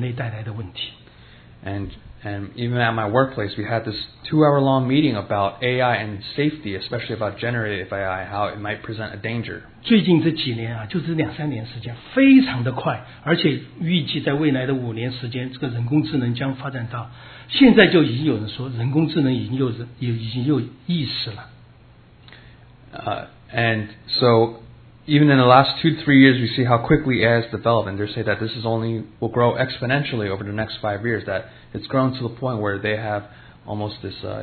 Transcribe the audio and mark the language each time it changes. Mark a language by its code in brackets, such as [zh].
[zh] 告诉人工智能可能跟人类带来的问题。And [en] even at my workplace, we had this two-hour-long meeting about AI and safety, especially about generative AI, how it might present a danger. [zh] 最近这几年啊, 就是两三年时间, 非常的快, 而且预计在未来的五年时间, 这个人工智能将发展到, 现在就已经有人说, 人工智能已经有意识了。And [en] so, even in the last 2-3 years, we see how quickly AI has developed, and they say that this is only will grow exponentially over the next 5 years, that it's grown to the point where they have almost this